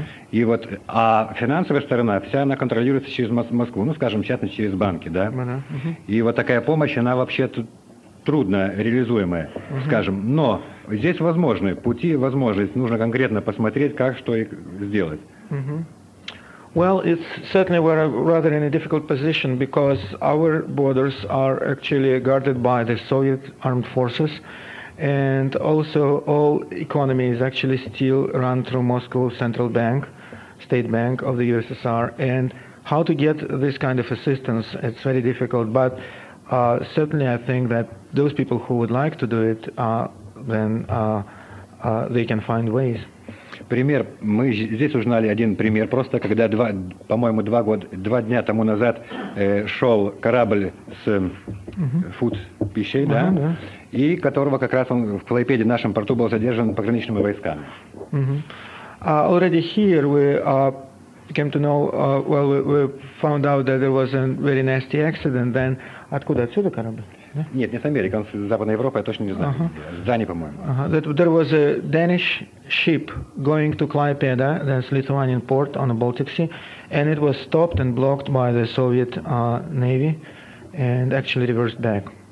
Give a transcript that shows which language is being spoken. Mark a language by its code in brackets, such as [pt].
[ru] И вот, а финансовая сторона вся она контролируется через Москву, ну, скажем, в частности, через банки, да? И вот такая помощь, она вообще тут трудно реализуемое, скажем. Но здесь возможны пути, возможность. Нужно конкретно посмотреть, как, что и сделать. [en] Well, it's certainly we're rather in a difficult position because our borders are actually guarded by the Soviet armed forces, and also all economy is actually still run through Moscow Central Bank, State Bank of the USSR, and how to get this kind of assistance, it's very difficult, but certainly I think that those people who would like to do it, they can find ways. [ru] Пример. Мы здесь узнали один пример просто, когда, два дня тому назад шел корабль с фуд пищей, да, и которого как раз он в Клайпеде, в нашем порту, был задержан пограничными войсками. [en] Already here we came to know, well, we found out that there was a very nasty accident, then... [ru] Откуда? Отсюда корабль? Да? Нет, не с Америки, он с Западной Европы, я точно не знаю. Дани, по-моему. [en] That there was a Danish ship going to Klaipeda, that's Lithuanian port on the Baltic Sea, and it was stopped and blocked by the Soviet Navy and actually reversed back.